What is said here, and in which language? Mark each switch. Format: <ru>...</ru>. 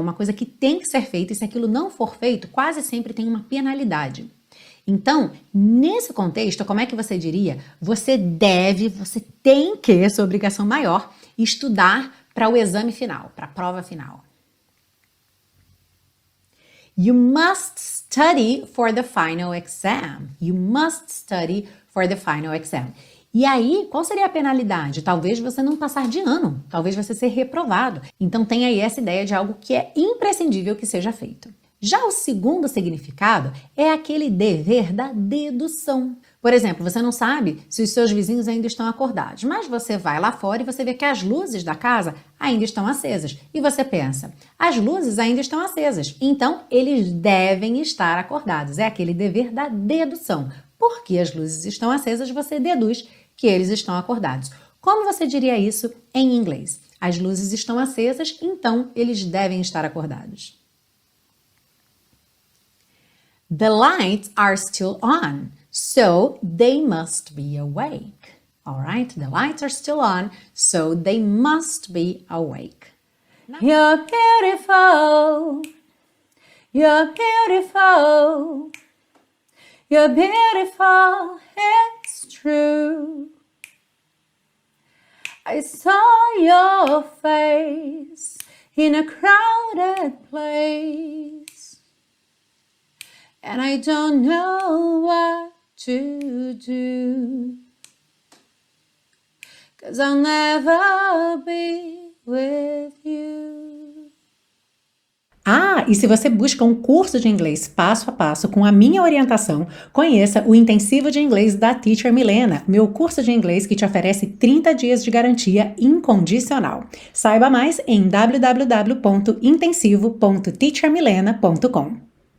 <pt>Uma coisa que tem que ser feita, e se aquilo não for feito, quase sempre tem uma penalidade. Então, nesse contexto, como é que você diria? Você deve, você tem que, sua obrigação maior, estudar para o exame final, para a prova final.</pt> <en>You must study for the final exam. You must study for the final exam.</en> <pt>E aí, qual seria a penalidade? Talvez você não passar de ano, talvez você ser reprovado. Então, tem aí essa ideia de algo que é imprescindível que seja feito. Já o segundo significado é aquele dever da dedução. Por exemplo, você não sabe se os seus vizinhos ainda estão acordados, mas você vai lá fora e você vê que as luzes da casa ainda estão acesas. E você pensa, as luzes ainda estão acesas, então eles devem estar acordados. É aquele dever da dedução. Porque as luzes estão acesas, você deduz que eles estão acordados. Como você diria isso em inglês? As luzes estão acesas, então eles devem estar acordados.</pt> <en>The lights are still on, so they must be awake. All right, the lights are still on, so they must be awake. You're beautiful, you're beautiful, you're beautiful, it's true. I saw your face in a crowded place. And I don't know what to do, 'cause I'll never be with you.</en> <pt>Ah, e se você busca um curso de inglês passo a passo com a minha orientação, conheça o Intensivo de Inglês da Teacher Milena, meu curso de inglês que te oferece 30 dias de garantia incondicional. Saiba mais em www.intensivo.teachermilena.com.</pt>